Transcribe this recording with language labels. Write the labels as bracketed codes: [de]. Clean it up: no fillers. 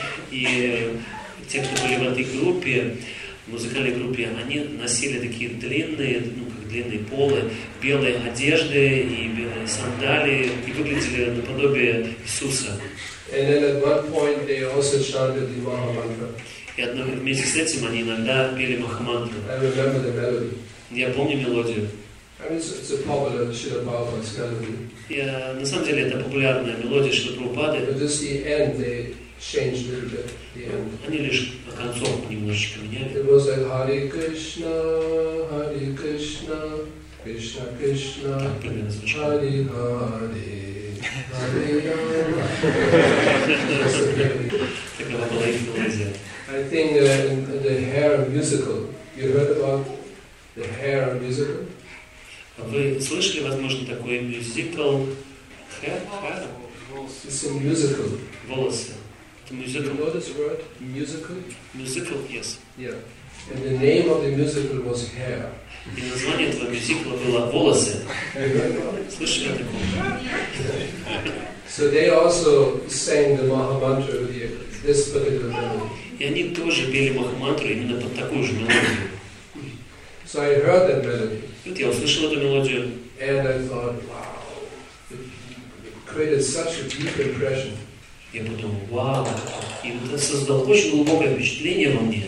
[ru] И те, кто были в этой группе, в музыкальной группе, они носили такие длинные, ну, как длинные полы, белые одежды и белые сандалии, и выглядели наподобие Иисуса. [en] And then at one point they also chanted the Mahamantra. [ru] И вместе с этим они иногда пели Махамантру. [en] I remember the melody. [ru] Я помню мелодию. [en] I mean, it's a popular Shri Prabhupada's melody. [ru] Yeah, на самом деле это популярная мелодия Шри Прабхупады. [en] But just the end, they changed a little bit. The end. [ru] Они лишь концовку немножечко меняли. [en] It was like Hare Krishna, Hare Krishna, Krishna Krishna, Hare Hare, Hare Rama. [ru] Такова была их мелодия. [en] I think the Hare musical. You heard about the Hare musical? [ru] Вы слышали, возможно, такой мюзикл? [en] It's a musical. [ru] Волосы. Musical. [en] You know this word? Musical? Musical, yes. Yeah. And the name of the musical was Hair. [ru] И название этого мюзикла было «Волосы». Слышали о таком? [en] So they also sang the Mahamantra with this particular melody. [ru] И они тоже пели Махамантру именно под такую же мелодию. [en] So I heard that melody. [ru] Вот я услышал эту мелодию. [en] And I thought, wow. Created such a deep impression. [ru] Я подумал, вау, и это создало очень глубокое впечатление во мне.